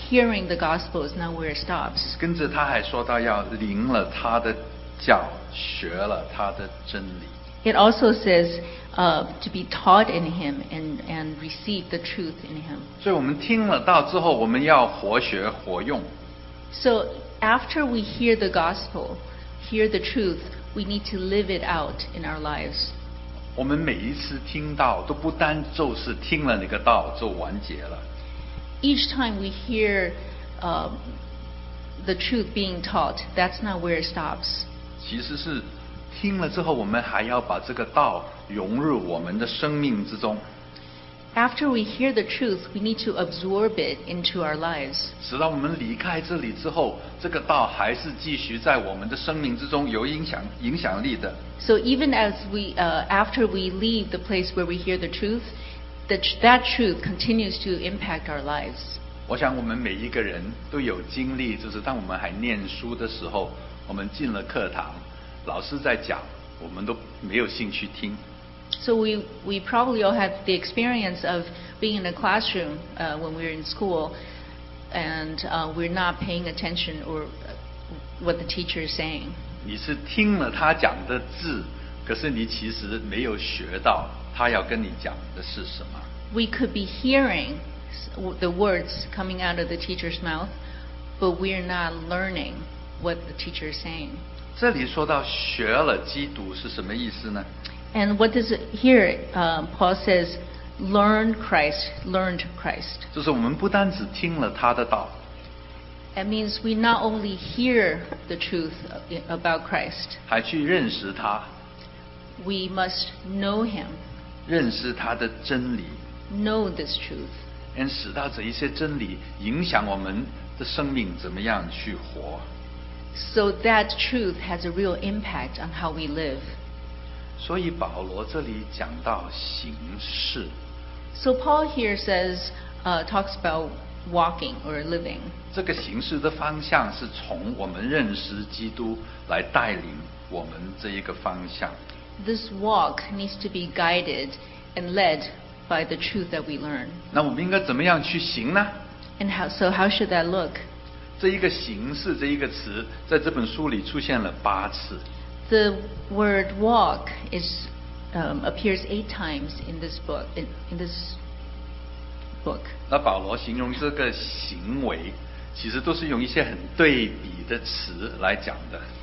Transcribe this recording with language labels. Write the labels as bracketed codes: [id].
[en] Hearing the gospel is not where it stops. [zh] 跟着他还说到要领了他的教，学了他的真理。 [en] It also says, to be taught in him and receive the truth in him. [zh] 所以我们听了道之后，我们要活学活用。 [en] So after we hear the gospel, hear the truth, we need to live it out in our lives. [zh] 我们每一次听到都不单就是听了那个道就完结了。 [en] Each time we hear, the truth being taught, that's not where it stops. [zh] 其实是听了之后，我们还要把这个道融入我们的生命之中。 [en] After we hear the truth, we need to absorb it into our lives. [zh] 直到我们离开这里之后，这个道还是继续在我们的生命之中有影响力的。 [en] So even as we, after we leave the place where we hear the truth, that truth continues to impact our lives. [zh] 我想我们每一个人都有经历，就是当我们还念书的时候，我们进了课堂，老师在讲，我们都没有兴趣听。 [en] So we probably all have the experience of being in a classroom when we're in school, and we're not paying attention or what the teacher is saying. [zh] 你是听了他讲的字，可是你其实没有学到他要跟你讲的是什么。 [en] We could be hearing the words coming out of the teacher's mouth, but we're not learning what the teacher is saying. [zh] 这里说到学了基督是什么意思呢？ [en] And what does it here, Paul says, learned Christ. [zh] 就是我们不单只听了他的道。 [en] It means we not only hear the truth about Christ. [zh] 还去认识他。 [en] We must know him. [zh] 认识他的真理。 [en] Know this truth. [zh] And 使到这一些真理影响我们的生命怎么样去活。 [en] So that truth has a real impact on how we live. [zh] 所以保罗这里讲到行事。 [en] So Paul here says, talks about walking or living. [zh] 这个行事的方向是从我们认识基督来带领我们这一个方向。 [en] This walk needs to be guided and led by the truth that we learn. [zh] 那我们应该怎么样去行呢？ [en] And how should that look? [zh] 这一个行事这一个词在这本书里出现了八次。 [en] The word walk is, appears eight times in this book. In this book. [zh] 那保罗形容这个行为，其实都是用一些很对比的词来讲的。